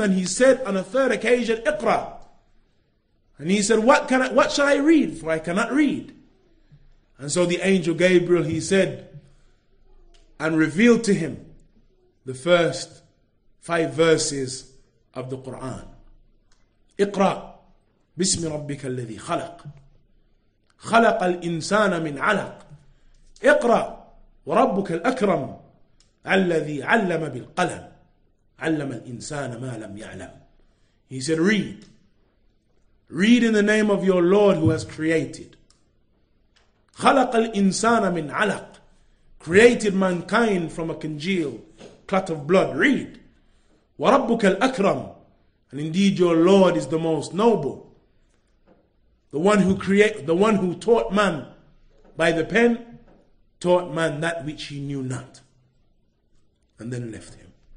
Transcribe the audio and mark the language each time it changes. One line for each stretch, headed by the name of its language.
English: And he said on a third occasion, Iqra. And he said, what shall I read? For I cannot read. And so the angel Gabriel, he said, and revealed to him the first five verses of the Quran.
Arabic: Iqra, bismi rabbika alladhi khalaq. خلق الإنسان من علق اقرأ وربك الأكرم الذي علم بالقلم علم الإنسان ما لم يعلم.
English: He said, read. Read in the name of your Lord who has created.
Arabic: خلق الإنسان من علق.
English: Created mankind from a congeal clot of blood. Read.
Arabic: وربك الأكرم.
English: And indeed your Lord is the most noble. The one who taught man by the pen taught man that which he knew not and then left him.